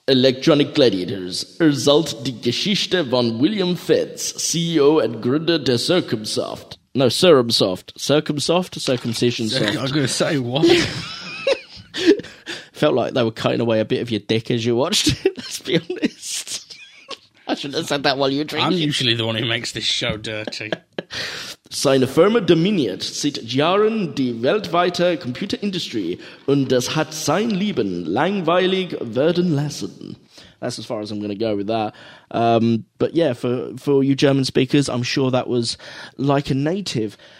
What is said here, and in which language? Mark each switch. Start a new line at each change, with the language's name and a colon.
German: Electronic Gladiators. Erzählt die Geschichte von William Fetz, CEO and Gründer der Circumsoft. No, Serumsoft. Circumsoft? Circumcision Soft.
English: I was going to say, what? Felt like they were cutting away a bit of your dick as you watched it, let's be honest. I shouldn't have said that while you were drinking. I'm usually the one who makes this show dirty.
German: Seine Firma dominiert seit Jahren die weltweite Computerindustrie und das hat sein Leben langweilig werden lassen.
English: That's as far as I'm going to go with that. But yeah, for you German speakers, I'm sure that was like a native.